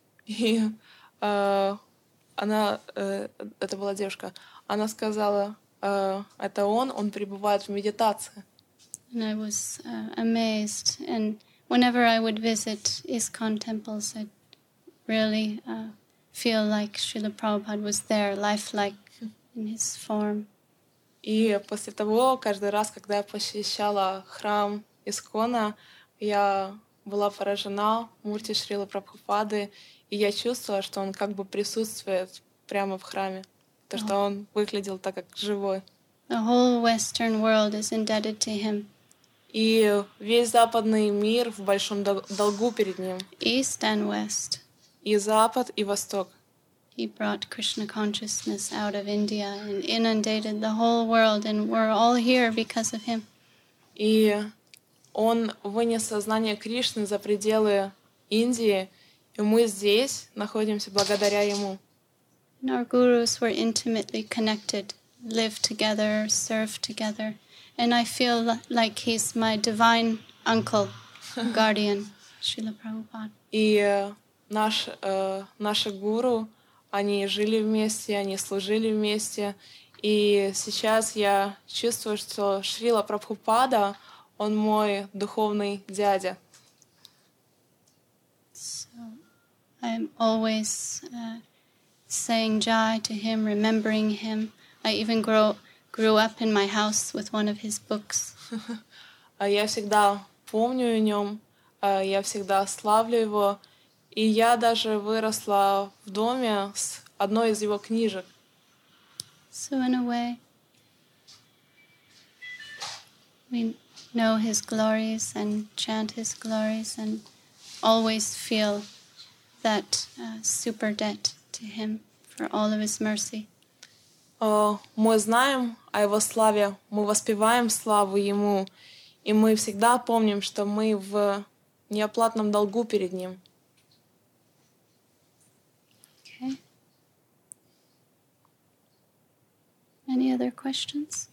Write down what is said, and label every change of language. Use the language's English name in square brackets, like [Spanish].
[Russian] И она, это была девушка, она сказала... это он пребывает в медитации. [English] And I was amazed. And whenever I would visit ISKCON temples, I'd really feel like Srila Prabhupada was there, lifelike in his form. [Russian] И после того, каждый раз, когда я посещала храм ИСККОНа, я была поражена Мурти Шрилы Прабхупады, и я чувствовала, что он как бы присутствует прямо в храме. То, что он выглядел так, как живой. [English] The whole Western world is indebted to him. [Russian] И весь западный мир в большом долгу перед ним. [English] East and West. [Russian] И запад, и восток. [English] He brought Krishna consciousness out of India and inundated the whole world, and we're all here because of him. [Russian] И он вынес сознание Кришны за пределы Индии, и мы здесь находимся благодаря ему. [English] And our gurus were intimately connected, live together, serve together. And I feel like he's my divine uncle, guardian, Srila Prabhupada. [Russian] И наши гуру, они жили вместе, они служили вместе. И сейчас я чувствую, что Шрила Прабхупада, он мой духовный дядя. [English] So, I'm always... saying jai to him, remembering him. I even grew up in my house with one of his books. [Russian] Я всегда помню о нем, я всегда славлю его, и я даже выросла в доме с одной из его книжек. [English] So in a way, we know his glories and chant his glories and always feel that super debt to him. For all of his mercy. [Russian] Мы знаем о его славе, мы воспеваем славу ему, и мы всегда помним, что мы в неоплатном долгу перед ним. [English] Okay. Any other questions?